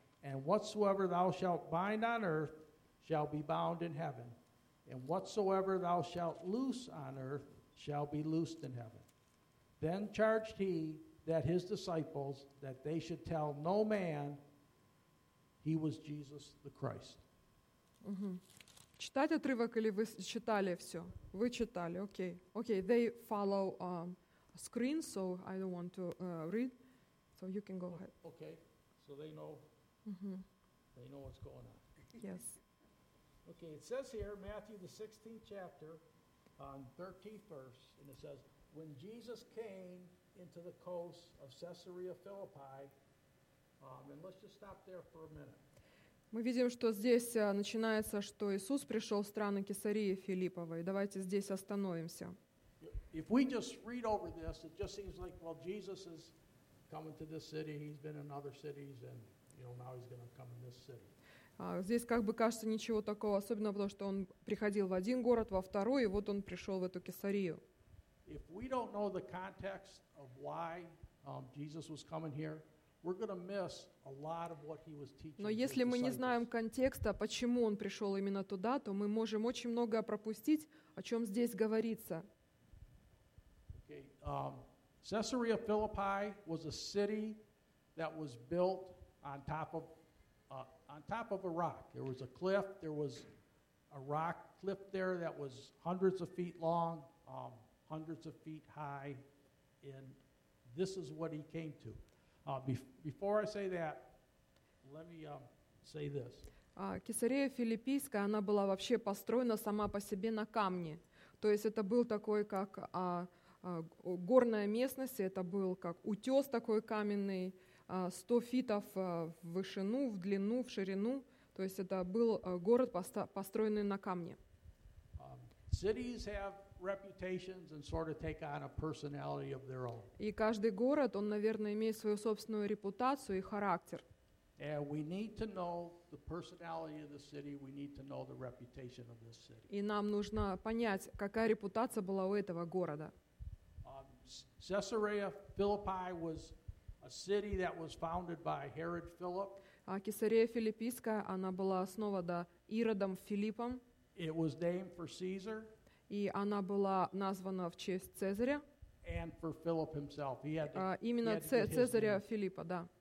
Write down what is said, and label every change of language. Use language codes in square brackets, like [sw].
[en] And whatsoever thou shalt bind on earth shall be bound in heaven. And whatsoever thou shalt loose on earth shall be loosed in heaven. Then charged he that his disciples that they should tell no man he was Jesus the Christ. [ru] Читать отрывок или вы читали все? Вы читали, окей. [en] Окей, they follow screen, so I don't want to read. So you can go ahead. Okay, so they know. Mm-hmm. They know what's going on. Yes. Okay, it says here, Matthew, the 16th chapter, on 13th verse, and it says, when Jesus came into the coast of Caesarea Philippi, and let's just stop there for a minute. [ru] Мы видим, что здесь начинается, что Иисус пришел в страны Кесарии Филипповой. Давайте здесь остановимся. [en] If we just read over this, it just seems like, well, Jesus is coming to this city, he's been in other cities, and you know, now he's going to come in this city. [ru] Здесь как бы кажется ничего такого, особенно потому, что он приходил в один город, во второй, и вот он пришел в эту Кесарию. [en] If we don't know the context of why Jesus was coming here, we're going to miss a lot of what he was teaching. [ru] Но если мы не знаем контекста, почему он пришел именно туда, то мы можем очень многое пропустить, о чем здесь говорится. [en] Okay. Caesarea Philippi was a city that was built on top of a rock. There was a cliff. There was a rock cliff there that was hundreds of feet long, hundreds of feet high, and this is what he came to. Before I say that, let me say this. [ru] Кесарея Филиппийская, она была вообще построена сама по себе на камне. То есть это был такой как горная местность, это был как утес такой каменный, 100 фитов в вышину, в длину, в ширину. То есть это был город, построенный на камне. [en] Cities have reputations and sort of take on a personality of their own. [ru] И каждый город, он, наверное, имеет свою собственную репутацию и характер. [en] And we need to know the personality of the city. We need to know the reputation of this city. [ru] И нам нужно понять, какая репутация была у этого города. [en] Caesarea Philippi was a city that was founded by Herod Philip. [ru] Кесарея Филиппийская, она была основана Иродом Филиппом. [en] It was named for Caesar. [ru] И она была названа в честь Цезаря. [en] And for Philip himself. He had to, [ru] именно Цезаря Филиппа, да.